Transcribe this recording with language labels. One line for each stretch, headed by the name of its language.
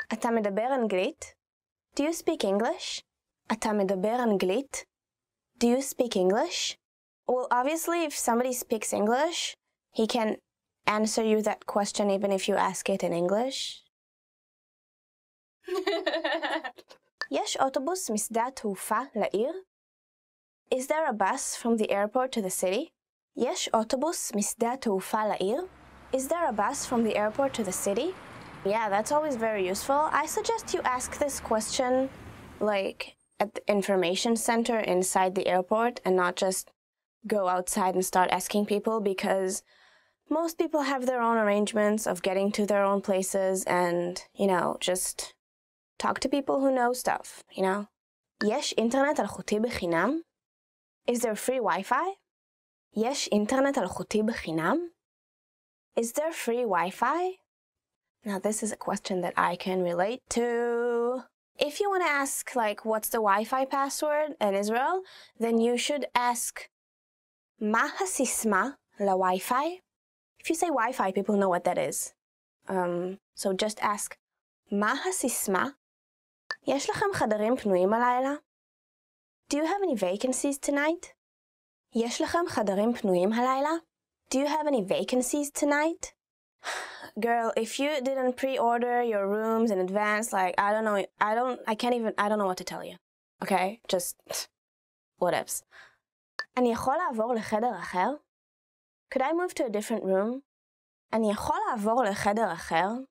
Hebrew: אתה מדבר אנגלית?
English: Do you speak English?
Hebrew: אתה מדבר אנגלית?
English: Do you speak English? Well, obviously, if somebody speaks English, he can answer you that question even if you ask it in English.
Hebrew: יש אוטובוס משדה התעופה לעיר?
English: Is there a bus from the airport to the city?
Hebrew: יש אוטובוס משדה התעופה לעיר?
English: Is there a bus from the airport to the city? Yeah, that's always very useful. I suggest you ask this question, like, at the information center inside the airport and not just go outside and start asking people, because most people have their own arrangements of getting to their own places and, you know, just talk to people who know stuff, you know?
Hebrew: יש אינטרנט אלחוטי בחינם?
English: Is there free Wi-Fi?
Hebrew: יש אינטרנט אלחוטי בחינם?
English: Is there free Wi-Fi? Now this is a question that I can relate to. If you want to ask, like, what's the Wi-Fi password in Israel, then you should ask
Hebrew: מה הסיסמה לווי-פי?
English: If you say Wi-Fi, people know what that is. So just ask
Hebrew: מה הסיסמה? יש לכם חדרים פנויים הלילה?
English: Do you have any vacancies tonight?
Hebrew: יש לכם חדרים פנויים הלילה?
English: Do you have any vacancies tonight? Girl, if you didn't pre-order your rooms in advance, like, I don't know what to tell you. Okay? Just, whatevs.
Hebrew: אני יכול לעבור לחדר אחר?
English: Could I move to a different room?
Hebrew: אני יכול לעבור לחדר אחר?